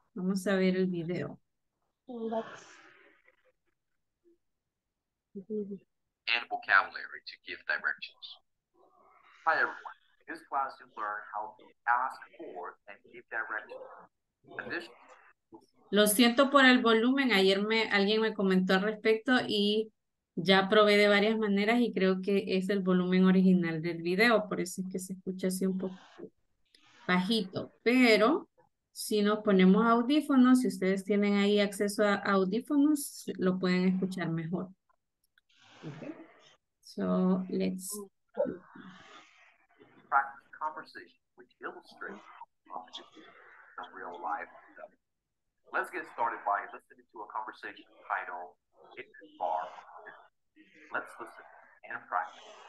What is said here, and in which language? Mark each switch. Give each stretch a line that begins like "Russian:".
Spanish: Vamos a ver el video.
English: And vocabulary to give directions. Hi everyone, in this class you learn how to ask for and give directions.
Spanish: Lo siento por el volumen, ayer alguien me comentó al respecto y ya probé de varias maneras y creo que es el volumen original del video, por eso es que se escucha así un poco bajito. Pero si nos ponemos audífonos, si ustedes tienen ahí acceso a audífonos, lo pueden escuchar mejor.
English: So let's practice conversation which illustrates objectives in real life. Let's get started by listening to a conversation titled "It Is Far." Let's listen and practice.